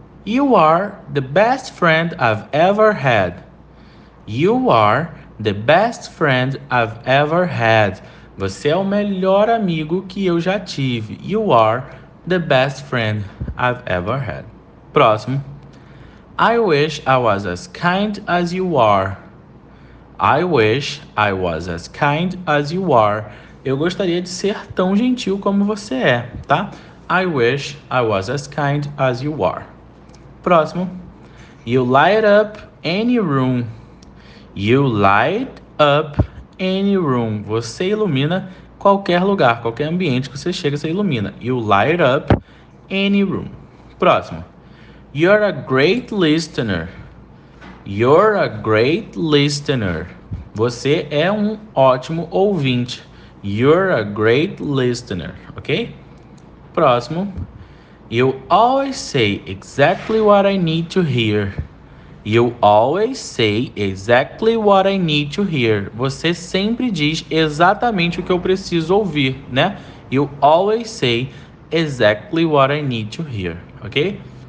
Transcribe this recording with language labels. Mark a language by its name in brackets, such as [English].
[English] You are the best friend I've ever had. You are the best friend I've ever had. [Portuguese] Você é o melhor amigo que eu já tive. [English] You are the best friend I've ever had. Próximo. I wish I was as kind as you are. I wish I was as kind as you are. [Portuguese] Eu gostaria de ser tão gentil como você é, tá? [English] I wish I was as kind as you are. Próximo. You light up any room. You light up any room. [Portuguese] Você ilumina qualquer lugar, qualquer ambiente que você chega, você ilumina. [English] You light up any room. Próximo. You're a great listener. You're a great listener. [Portuguese] Você é um ótimo ouvinte. [English] You're a great listener. [Portuguese] Ok? Próximo. [English] You always say exactly what I need to hear. You always say exactly what I need to hear. [Portuguese] Você sempre diz exatamente o que eu preciso ouvir, né? [English] You always say exactly what I need to hear, ok?